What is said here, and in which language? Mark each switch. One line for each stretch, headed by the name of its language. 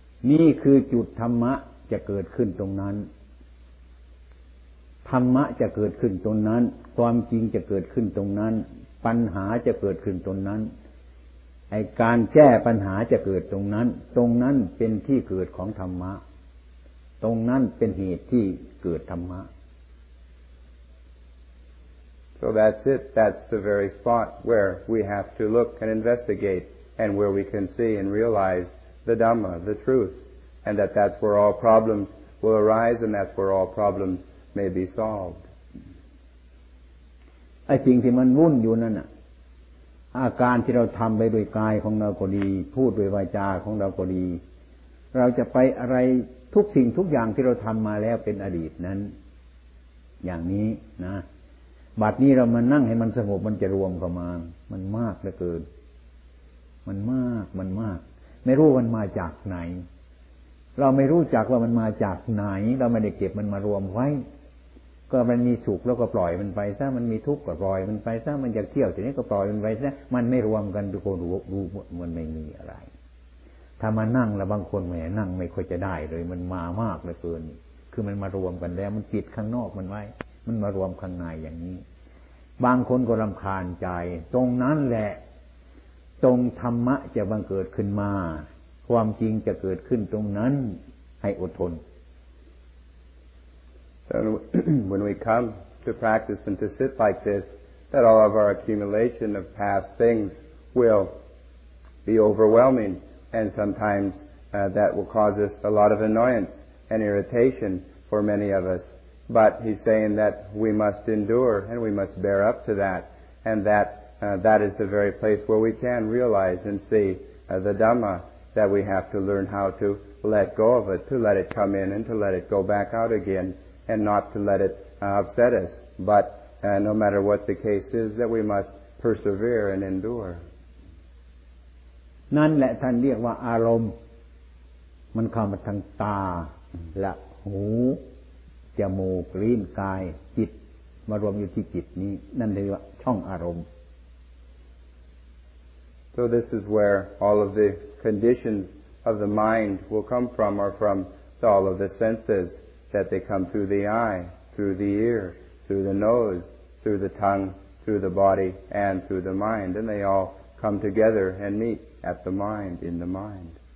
Thai: นี่คือจุดธรรมะจะเกิดขึ้นตรงนั้นธรรมะจะเกิดขึ้นตรงนั้นความจริงจะเกิดขึ้นตรงนั้นปัญหาจะเกิดขึ้นตรงนั้น ไอ้การแก้ปัญหาจะเกิดตรงนั้นตรงนั้นเป็นที่เกิดของธรรมะตรงนั้นเป็นเหตุที่เกิดธรรมะ
English: So that's it. That's the very spot where we have to look and investigate and where we can see and realize the Dhamma, the truth, and that that's where all problems will arise and that's where all problems may be solved.
Thai: ไอ้สิ่งที่มันวุ่นอยู่นั่นน่ะอาการที่เราทำไปด้วยกายของเราก็ดีพูดด้วยวาจาของเราก็ดีเราจะไปอะไรทุกสิ่งทุกอย่างที่เราทำมาแล้วเป็นอดีตนั้นอย่างนี้นะบัดนี้เรามานั่งให้มันสงบมันจะรวมเข้ามามันมากเหลือเกิน มันมากไม่รู้มันมาจากไหนเราไม่รู้จักว่ามันมาจากไหนเราไม่ได้เก็บมันมารวมไว้ก็มันมีสุขแล้วก็ปล่อยมันไปซะมันมีทุกข์ก็ปล่อยมันไปซะมันอยากเที่ยวทีนี้ก็ปล่อยมันไปซะมันไม่รวมกันทุกคนรู้มันไม่มีอะไร ถ้ามานั่งแล้วบางคนแหมนั่งไม่ค่อยจะได้เลยมันมามากเหลือเกินคือมันมารวมกันแล้วมันปิดข้างนอกมันไว้มันมารวมข้างในอย่างนี้บางคนก็รำคาญใจตรงนั้นแหละตรงธรรมะจะบังเกิดขึ้นมาความจริงจะเกิดขึ้นตรงนั้นให้อดทน
English: And when we come to practice and to sit like this, that all of our accumulation of past things will be overwhelming, and sometimes that will cause us a lot of annoyance and irritation for many of us. But he's saying that we must endure and we must bear up to that, and that that is the very place where we can realize and see the Dhamma, that we have to learn how to let go of it, to let it come in and to let it go back out again. And not to let it upset us, but no matter what the case is, that we must persevere and endure.
Thai: นั่นแหละท่านเรียกว่าอารมณ์มันเข้ามาทางตาและหูจมูกลิ้นกายจิตมารวมอยู่ที่จิตนี้นั่นเรียกว่าช่องอารมณ์
English: So this is where all of the conditions of the mind will come from, or from all of the senses. That they come through the eye, through the ear, through the nose, through the tongue, through the body, and through the mind, and they all come together and meet at the mind, in the mind.